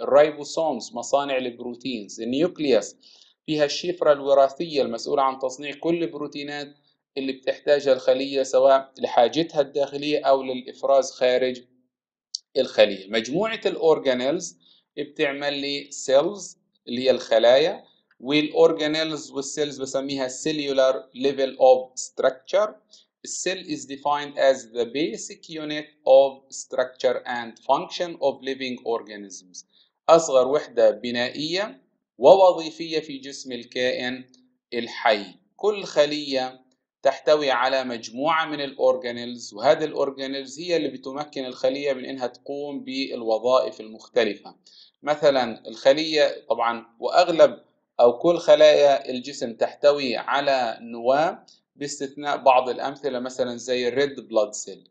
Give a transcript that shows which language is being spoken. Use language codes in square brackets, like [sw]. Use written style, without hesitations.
[ar] الريبوسومز مصانع البروتينز، النيوكليوس فيها الشفرة الوراثية المسؤولة عن تصنيع كل البروتينات اللي بتحتاجها الخلية سواء لحاجتها الداخلية أو للإفراز خارج الخلية. مجموعة الأورجانيلز بتعمل لي سيلز اللي هي الخلايا، والأورجانيلز والسيلز بسميها [en] cellular level of structure. السيل is defined as the basic unit of structure and function of living organisms. [ar] أصغر وحدة بنائية ووظيفية في جسم الكائن الحي. كل خلية تحتوي على مجموعة من الأورجانيلز، وهذه الأورجانيلز هي اللي بتمكن الخلية من إنها تقوم بالوظائف المختلفة. مثلا الخلية طبعا وأغلب أو كل خلايا الجسم تحتوي على نواة باستثناء بعض الأمثلة، مثلا زي الريد بلاد سيل.